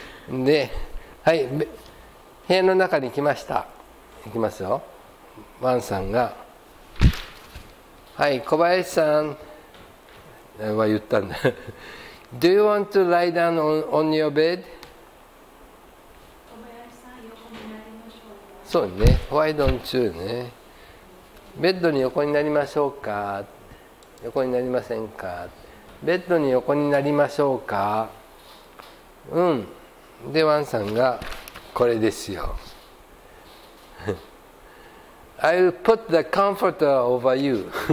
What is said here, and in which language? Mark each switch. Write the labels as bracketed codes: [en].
[ja] で、はい、部屋の中に来ました。いきますよ。ワンさんが、はい、小林さんは言ったんだ。 [en] Do you want to lie down on your bed? [ja] 小林さん、横になりましょうか。そうね、 [en] Why don't you [ja] ね、ベッドに横になりましょうか。横になりませんか、ベッドに横になりましょうか、うん、でワンさんがこれですよ [en] I'll put the comforter over you